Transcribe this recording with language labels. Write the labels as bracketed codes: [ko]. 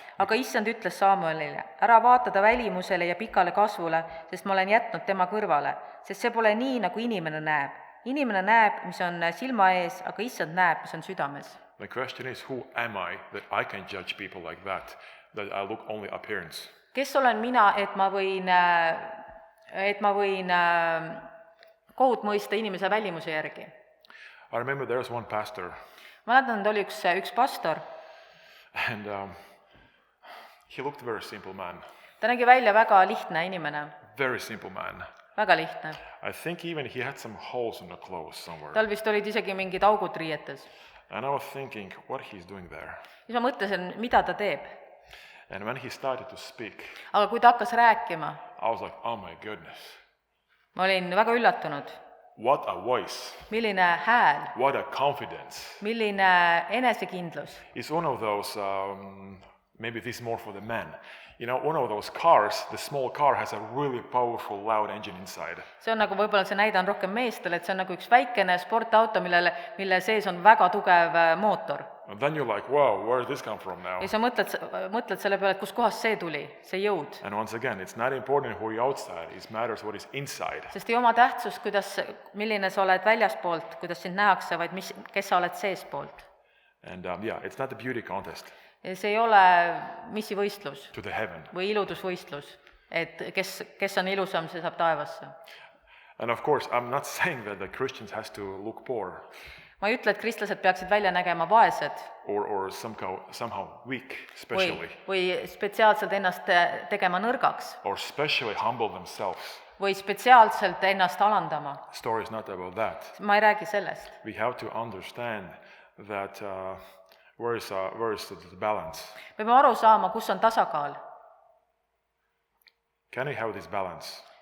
[et] Aga Issand ütles Saamuelile, ära vaatada välimusele ja pikale kasvule, sest ma olen jätnud tema kõrvale, sest see pole nii, nagu inimene näeb. Inimene näeb, mis on silma ees, aga Issand näeb, mis on südames. [en] The question is, who am I that I can judge people like that, that I look only appearance? [et] Kes olen mina, et ma võin kohut mõista inimese välimuse järgi? [en] I remember there was one pastor. [et] Ma mäletan, et oli üks pastor. [en] And he looked a very simple man. [et] Ta nägi välja väga lihtne inimene. [en] Very simple man. [et] Väga lihtne. [en] I think even he had some holes in the clothes somewhere. [et] Tal vist olid isegi mingid augud riietes. [en] And I was thinking what he's doing there. [et] Siis ma mõtlesin, mida ta teeb. [en] And when he started to speak. [et] Aga kui ta hakkas rääkima. [en] I was like, oh my goodness. [et] Ma olin väga üllatunud. [en] What a voice. [et] Milline hääl. [en] What a confidence. [et] Milline enesekindlus. [en] It's one of those maybe this is more for the men. You know, one of those cars, the small car has a really powerful loud engine inside. [et] See on nagu võib-olla see näide on rohkem meestel, et see on nagu üks väikene sportauto, mille sees on väga tugev mootor. [en] And then you're like, wow, where did this come from now? [et] Ja sa mõtled selle peale, et kus kohas see tuli, see jõud. [en] And once again, it's not important who you're outside, it matters what is inside. [et] Sest ei oma tähtsus, kuidas, milline sa oled väljaspoolt, kuidas sind nähakse, vaid mis, kes sa oled seespoolt. [en] And yeah, it's not a beauty contest. [et] Ja see ei ole missi võistlus [en] to the heaven. [et] Või iludusvõistlus, et kes on ilusam, see saab taevasse. [en] And of course, I'm not saying that the Christians has to look poor. [et] Ma ei ütle, et kristlased peaksid välja nägema vaesed. [en] Or somehow weak, especially. [et] Või spetsiaalselt ennast tegema nõrgaks. [en] Or specially humble themselves. [et] Või spetsiaalselt ennast alandama. [en] Story is not about that. [et] Ma ei räägi sellest. [en] We have to understand that where is the balance? [et] Peame aru saama, kus on tasakaal. [en] Can I have this balance?